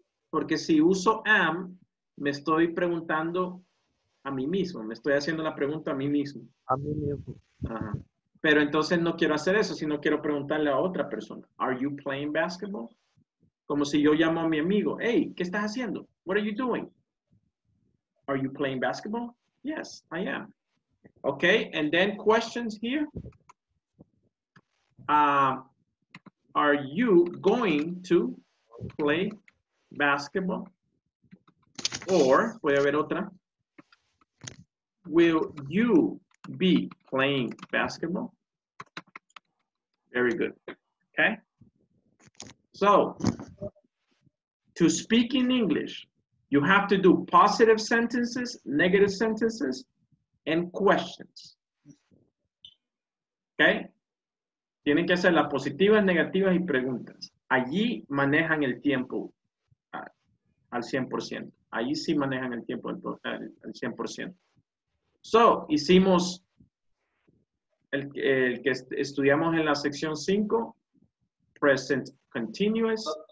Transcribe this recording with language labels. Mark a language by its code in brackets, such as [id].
[es] Porque si uso am, me estoy preguntando a mí mismo. Me estoy haciendo la pregunta a mí mismo. A mí mismo. Ajá. Pero entonces no quiero hacer eso, sino quiero preguntarle a otra persona. [en] Are you playing basketball? [es] Como si yo llamo a mi amigo. [en] Hey, [es] ¿qué estás haciendo? [en] What are you doing? Are you playing basketball? Yes, I am. Okay, and then questions here. Are you going to play basketball? Or, [es] voy a ver otra. [en] Will you be playing basketball? Very good. Okay. So, to speak in English, you have to do positive sentences, negative sentences, and questions. Okay? [es] Tienen que hacer las positivas, negativas y preguntas. Allí manejan el tiempo al 100%. Allí sí manejan el tiempo al 100%. So, hicimos el que estudiamos en la sección 5, present continuous.